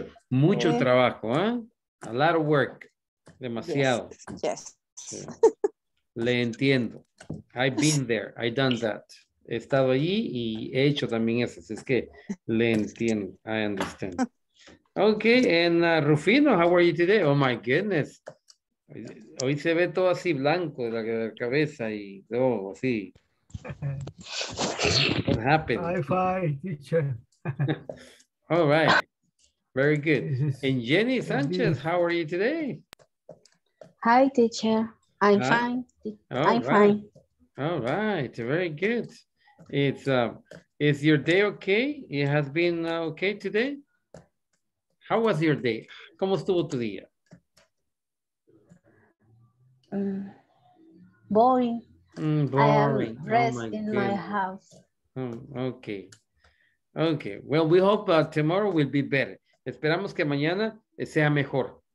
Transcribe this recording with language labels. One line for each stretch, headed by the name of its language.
Spanish: Mucho trabajo, ¿eh?
English: A lot of work.
Spanish: Demasiado.
English: Yes.
Spanish: Le entiendo.
English: I've been there. I've done that.
Spanish: He estado allí y he hecho también eso. Es que le entiendo.
English: I understand. Okay, and Rufino, how are you today? Oh my goodness.
Spanish: Hoy se ve todo así blanco de la cabeza y todo así.
English: What happened? Hi, teacher. All right. Very good. And Jenny Sanchez, how are you today? Hi, teacher. I'm fine. All right. Very good. It's is your day okay? It has been okay today? How was your day?
Spanish: ¿Cómo estuvo tu día?
English: Boring. Boring. I am resting in my house. Okay. Well, we hope that tomorrow will be better.
Spanish: Esperamos que mañana sea mejor.